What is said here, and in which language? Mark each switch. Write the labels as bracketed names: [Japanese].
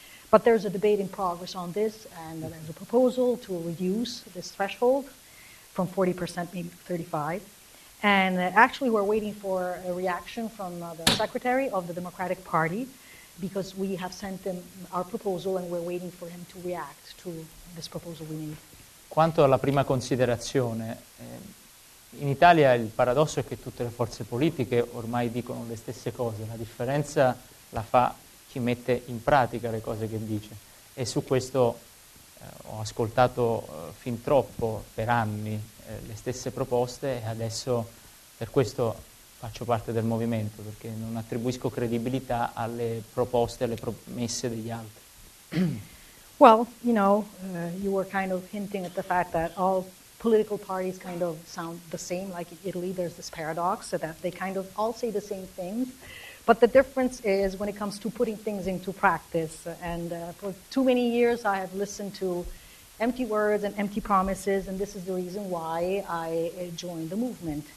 [English] But there's a debate in progress on this, and there's a proposal to reduce this threshold from 40% maybe to 35%. And actually, we're waiting for a reaction from the secretary of the Democratic Party, because we have sent him our proposal, and we're waiting for him to react to this proposal we need. [Italian] Quanto alla prima considerazione, in Italia il paradosso è che tutte le forze politiche ormai dicono le stesse cose. La differenza la fa chi mette in pratica le cose che dice. E su questo ho ascoltato fin troppo, per anni, le stesse proposte, e adesso per questo faccio parte del movimento, perché non attribuisco credibilità alle proposte, alle promesse degli altri. [English] Well, you know, you were kind of hinting at the fact that all political parties kind of sound the same. Like in Italy, there's this paradox so that they kind of all say the same things. But the difference is when it comes to putting things into practice. And for too many years, I have listened to empty words and empty promises, and this is the reason why I joined the movement.